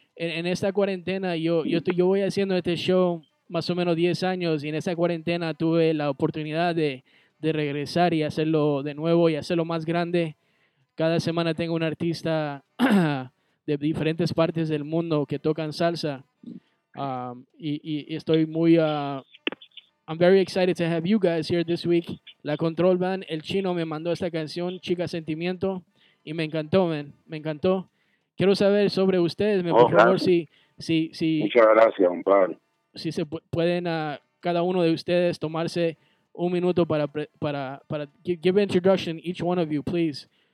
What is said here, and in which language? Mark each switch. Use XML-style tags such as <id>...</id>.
<es>En esta cuarentena, yo voy haciendo este show más o menos 10 años, y en esa cuarentena tuve la oportunidad de regresar y hacerlo de nuevo y hacerlo más grande. Cada semana tengo un artista de diferentes partes del mundo que tocan salsa. Y estoy muy...</es> <en>I'm very excited to have you guys here this week.</en> <es>La Control Band, el chino, me mandó esta canción, Chica Sentimiento, y me encantó, man. Me encantó. Quiero saber sobre ustedes, por favor, si... Muchas gracias, un par. Si se pueden a cada uno de ustedes tomarse un minuto para</es> <en>give introduction each one of you, please.</en>